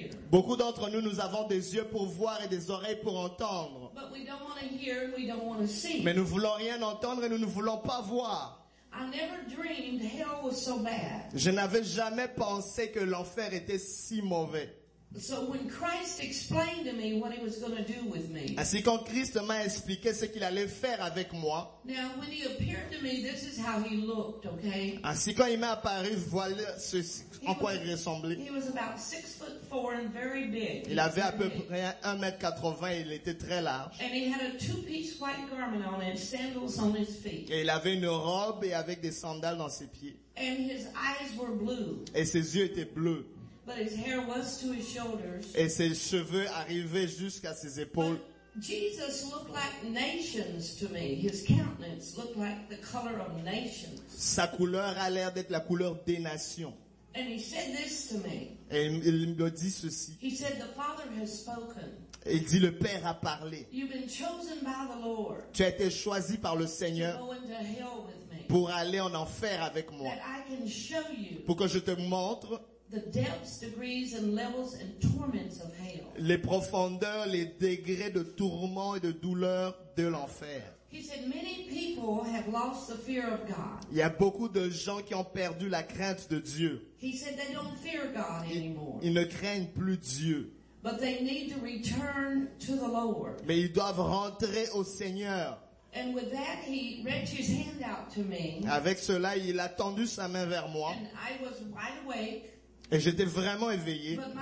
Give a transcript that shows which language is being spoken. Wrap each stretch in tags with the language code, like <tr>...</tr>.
<fr>Beaucoup d'entre nous, nous avons des yeux pour voir et des oreilles pour entendre.</fr> <en>But we don't want to hear, we don't want to see.</en> <fr>Mais nous voulons rien entendre et nous ne voulons pas voir.</fr> <en>I never dreamed hell was so bad.</en> <fr>Je n'avais jamais pensé que l'enfer était si mauvais.</fr> <en>So when Christ explained to me what he was going to do with me.</en> <fr>Ainsi quand Christ m'a expliqué ce qu'il allait faire avec moi.</fr> <en>Now when he appeared to me, this is how he looked, okay?</en> <fr>Ainsi quand il m'est apparu, voilà ce en quoi il ressemblait.</fr> <en>He was about 6'4" and very big.</en> <fr>Il avait à peu près 1m80 et il était très large.</fr> <en>And he had a two-piece white garment on and sandals on his feet.</en> <fr>Et il avait une robe et avec des sandales dans ses pieds.</fr> <en>And his eyes were blue.</en> <fr>Et ses yeux étaient bleus.</fr> <en>But his hair was to his shoulders.</en> <fr>Et ses cheveux arrivaient jusqu'à ses épaules.</fr> <en>But Jesus looked like nations to me. His countenance looked like the color of nations.</en> <fr>Sa couleur a l'air d'être la couleur des nations.</fr> <en>And he said this to me.</en> <fr>Et il me dit ceci.</fr> <en>He said the Father has spoken.</en> <fr>Et il dit le Père a parlé.</fr> <en>You've been chosen by the Lord.</en> <fr>Tu as été choisi par le Seigneur.</fr> <en>To go into hell with me.</en> <fr>Pour aller en enfer avec moi.</fr> <en>That I can show you.</en> <fr>Pour que je te montre.</fr> <en>The depths, degrees, and levels and torments of hell.</en> <fr>Les profondeurs, les degrés de tourment et de douleur de l'enfer.</fr> <en>He said many people have lost the fear of God.</en> <fr>Il y a beaucoup de gens qui ont perdu la crainte de Dieu.</fr> <en>He said they don't fear God anymore.</en> <fr>Ils ne craignent plus Dieu.</fr> <en>But they need to return to the Lord.</en> <fr>Mais ils doivent rentrer au Seigneur.</fr> <en>And with that, he reached his hand out to me.</en> <fr>Avec cela, il a tendu sa main vers moi.</fr> <en>And I was wide awake.</en> <fr>Et j'étais vraiment éveillé.</fr>